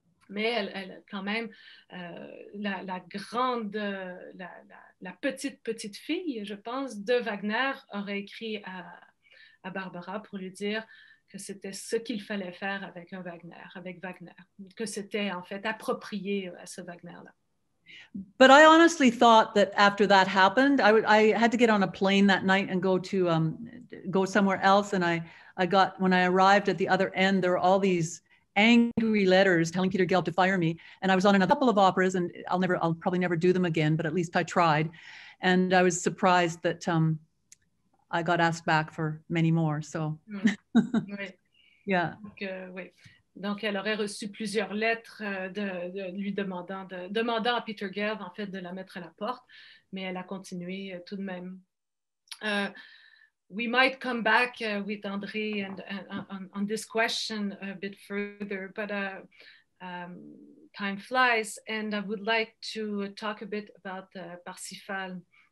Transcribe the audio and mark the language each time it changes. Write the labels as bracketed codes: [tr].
[fr] Mais elle quand même, la petite fille, je pense, de Wagner, aurait écrit à Barbara pour lui dire que c'était ce qu'il fallait faire avec un Wagner, que c'était en fait approprié à ce Wagner-là. [en] But I honestly thought that after that happened, I had to get on a plane that night and go to go somewhere else. And I got, when I arrived at the other end, there were all these angry letters telling Peter Gelb to fire me. And I was on a couple of operas, and I'll probably never do them again, but at least I tried. And I was surprised that I got asked back for many more, so. [fr] Oui. [en] Yeah. [fr] Donc, elle aurait reçu plusieurs lettres de lui demandant à Peter Gelb, en fait, de la mettre à la porte, mais elle a continué tout de même. [en] We might come back with André on this question a bit further, but time flies, and I would like to talk a bit about Parsifal.